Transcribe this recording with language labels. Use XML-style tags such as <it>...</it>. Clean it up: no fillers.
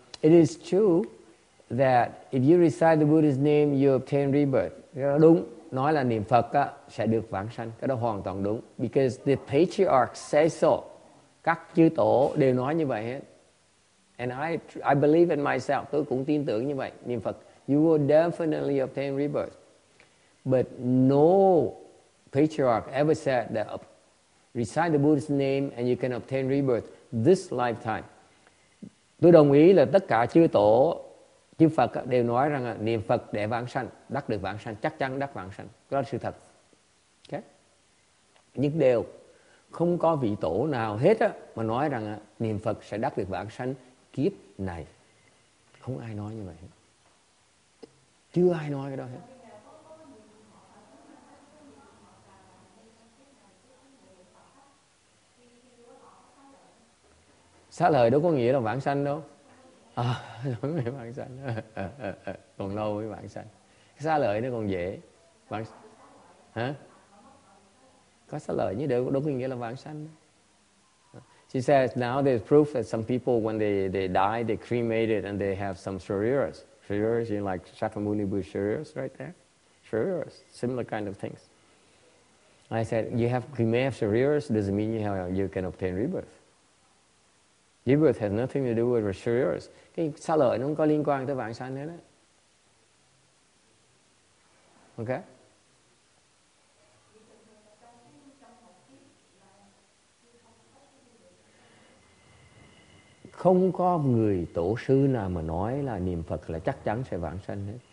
<en>It is true that if you recite the Buddha's name, you obtain rebirth.</en> <vi>Đúng, nói là niệm Phật á, sẽ được vãng sanh. Cái đó hoàn toàn đúng.</vi> <en>Because the patriarch says so.</en> <vi>Các chư tổ đều nói như vậy hết.</vi> <en>And I believe in myself.</en> <vi>Tôi cũng tin tưởng như vậy. Niệm Phật,</vi> <en>you will definitely obtain rebirth. But no patriarch ever said that recite the Buddha's name and you can obtain rebirth this lifetime.</en> <vi>Tôi đồng ý là tất cả chư tổ, chư Phật đều nói rằng là niệm Phật để vãng sanh, đắc được vãng sanh, chắc chắn đắc vãng sanh. Đó là sự thật. Okay. Nhưng đều không có vị tổ nào hết á mà nói rằng là niệm Phật sẽ đắc được vãng sanh kiếp này. Không ai nói như vậy. Chưa ai nói cái đó hết. Ừ. Xá lợi đâu có nghĩa là vãng sanh đâu. À, giống như vãng sanh. Còn lâu mới vãng sanh. Xá lợi nó còn dễ. Vãng hả? Có xá lợi như đâu có nghĩa là vãng sanh.</vi> <en>She says, now there's proof that some people, when they die, they cremated and they have some shariras. Shariras, you know, like Shakyamuni Buddha shariras right there? Shariras, similar kind of things. I said, you may have shariras, doesn't mean you can obtain rebirth. Rebirth has nothing to do with shariras.</en> <vi>Cái xá lợi nó không có liên quan tới vãng sanh hết á.</vi> <en>Ok?</en> <vi>Không có người tổ sư nào mà nói là niệm Phật là chắc chắn sẽ vãng sanh hết.</vi>